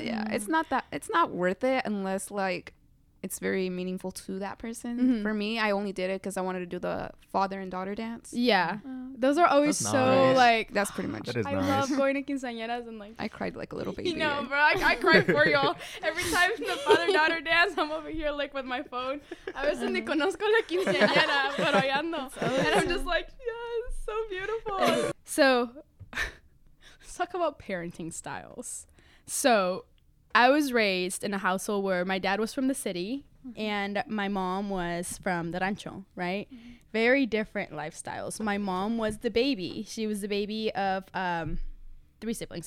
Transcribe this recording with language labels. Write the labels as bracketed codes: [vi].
[en] Yeah, it's not worth it unless like it's very meaningful to that person. Mm-hmm. For me, I only did it because I wanted to do the father and daughter dance. Yeah. Those are always so nice. Like, that's pretty much. That is I nice. Love going to quinceañeras and like. I cried like a little baby. You know, bro, I cried for y'all. Every time the father daughter dance, I'm over here like with my phone. [es] A veces ni conozco la quinceañera, pero ya no. [en] And I'm just like, yes, so beautiful. So let's talk about parenting styles. So I was raised in a household where my dad was from the city and my mom was from the rancho, right? Mm-hmm. Very different lifestyles. My mom was the baby. She was the baby of three siblings.